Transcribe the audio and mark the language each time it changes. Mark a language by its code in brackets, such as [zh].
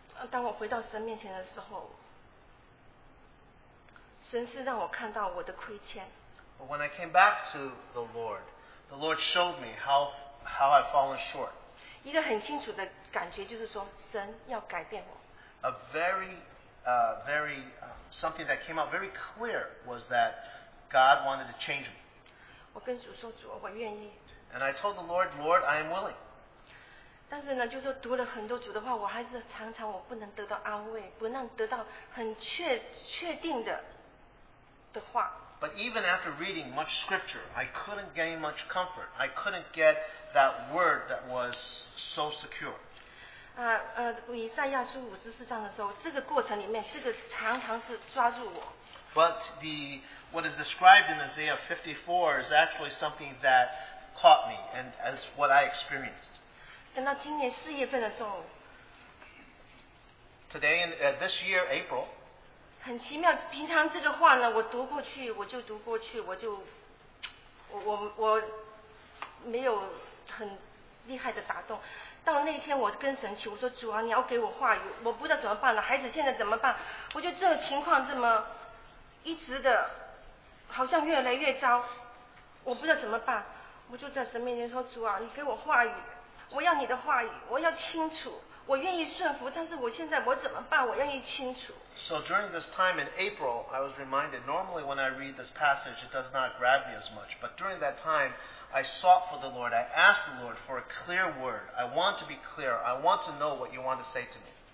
[zh] 当我回到神面前的时候，神是让我看到我的亏欠。 [en] But when I came back to the Lord showed me how I've fallen short. [zh] 一个很清楚的感觉就是说，神要改变我。 [en] A very, very, something that came out very clear was that. God wanted to change me. [zh] 我跟主说，主，我愿意。 [en] And I told the Lord, Lord, I am willing. [zh] 但是呢，就是读了很多主的话，我还是常常我不能得到安慰，不能得到很确定的话。 [en] But even after reading much scripture, I couldn't gain much comfort. I couldn't get that word that was so secure. [zh] 以赛亚书54章的时候，这个过程里面，这个常常是抓住我。 [en] But what is described in Isaiah 54 is actually something that caught me and as what I experienced. [zh] 等到今年四月份的时候 [en] Today in this year, April. [zh] 很奇妙，平常这个话呢，我读过去，我就读过去，我就我没有很厉害的打动。到那天我跟神求，我说主啊，你要给我话语，我不知道怎么办了，孩子现在怎么办？我就这种情况这么。一直的，好像越来越糟，我不知道怎么办，我就在神面前说：“主啊，你给我话语，我要你的话语，我要清楚，我愿意顺服，但是我现在我怎么办？我愿意清楚。” [en] So during this time in April, I was reminded. Normally, when I read this passage, it does not grab me as much. But during that time, I sought for the Lord. I asked the Lord for a clear word. I want to be clear. I want to know what you want to say to me.